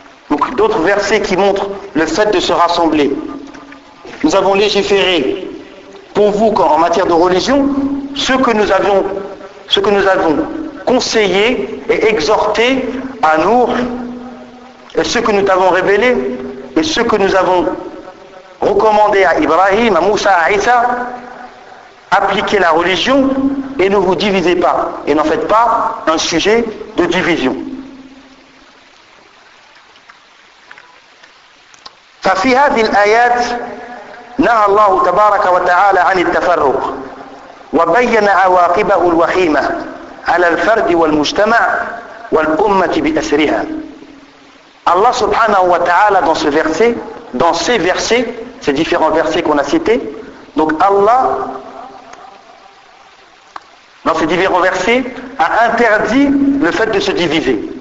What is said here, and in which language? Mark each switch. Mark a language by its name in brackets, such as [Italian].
[French] Donc d'autres versets qui montrent le fait de se rassembler. Nous avons légiféré pour vous qu'en matière de religion, ce que nous avons conseillé et exhorté à Nour, et ce que nous t'avons révélé, et ce que nous avons recommandé à Ibrahim, à Moussa, à Isa, appliquez la religion et ne vous divisez pas, et n'en faites pas un sujet de division. [Arabic] فَفِي هَذِي الْآيَاتِ نَهَى اللَّهُ تَبَارَكَ وَتَعَالَى عَنِ التَّفَرُّقِ وبين عواقبه الوخيمة على الفرد والمجتمع والأمة بأسرها. [French] Allah subhanahu wa ta'ala dans ce verset, dans ces versets, ces différents versets qu'on a cités, donc Allah, dans ces différents versets, a interdit le fait de se diviser.